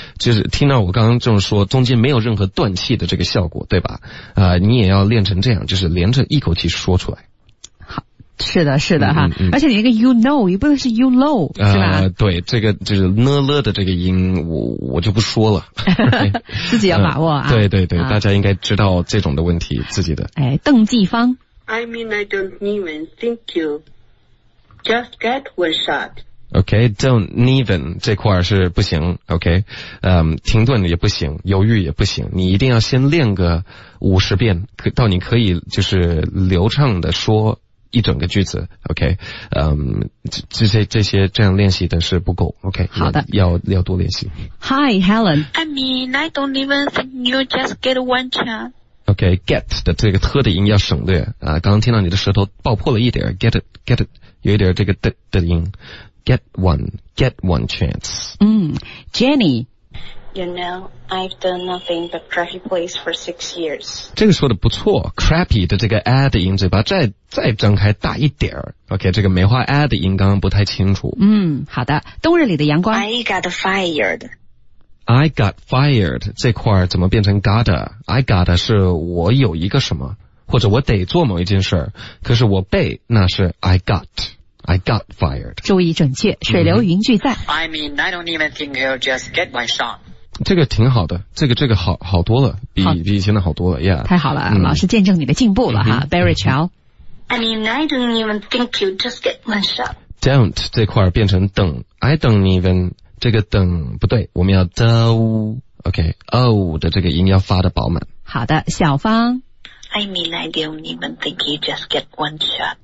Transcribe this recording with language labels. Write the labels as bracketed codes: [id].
[zh] 就是听到我刚刚这么说中间没有任何断气的这个效果对吧，你也要练成这样就是连着一口气说出来。是的是的哈、而且你那个 [en] you know, [zh] 也不能是 you know, 是吧、对这个就是呢了的这个音我就不说了。自己要把握啊。对对对、大家应该知道这种的问题自己的。哎，邓继芳。 [en] I mean, I don't even think you just get one shot. [zh] Okay, don't even, 这块是不行 , [en] okay, [zh] 停顿也不行，犹豫也不行，你一定要先练个50遍到你可以就是流畅的说一整个句子 ,okay, 这些这样练习的是不够 ,okay, 好的，要多练习。 [en] Hi, Helen. I mean, I don't even think you just get one shot. OK, [zh] get 的这个特的音要省略、刚刚听到你的舌头爆破了一点 get it, 有一点这个的音 get one chance. [en] Jenny. You know, I've done nothing but crappy plays for 6 years. [zh] 这个说的不错 ,crappy 的这个 a 的音嘴巴再张开大一点。 [en] OK, [zh] 这个梅花 a 的音刚刚不太清楚。好的，冬日里的阳光。 [en] I got fired. I got fired, [zh] 这块怎么变成 gotta? I gotta 是我有一个什么或者我得做某一件事可是我被那是 I got fired. 注意准确水流云俱在。 [en] I mean, I don't even think you'll just get one shot. [zh] 这个挺好的这个好多了比以前的好多了 [en] yeah. [zh] 太好了、老师见证你的进步了哈 Barry Chow. [en] I mean, I don't even think you'll just get one shot. Don't, [zh] 这块变成等 [en] I don't even... [zh] 这个等不对我们要 OK 的这个音要发得饱满好的小芳 [en] I mean I don't even think you just get one shot